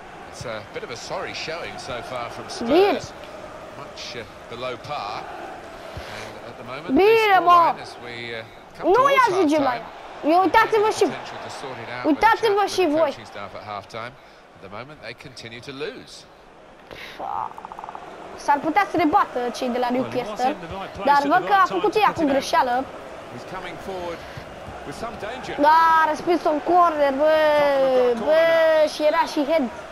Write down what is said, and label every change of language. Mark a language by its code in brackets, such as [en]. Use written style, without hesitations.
[en] It's a bit of a sorry showing so far from Spurs. Much below par. [ro] Bine, mă! Nu ia ajunge la ea. Uitați-vă și voi. Uitați-vă și voi. [en] At the moment they continue to lose. [ro] S-ar putea să ne bată cei de la Newcastle, dar văd că a făcut ei acum greșeală. [en] He's coming forward with some danger. [ro] Da, a respins un corner, bă, bă, și era și head.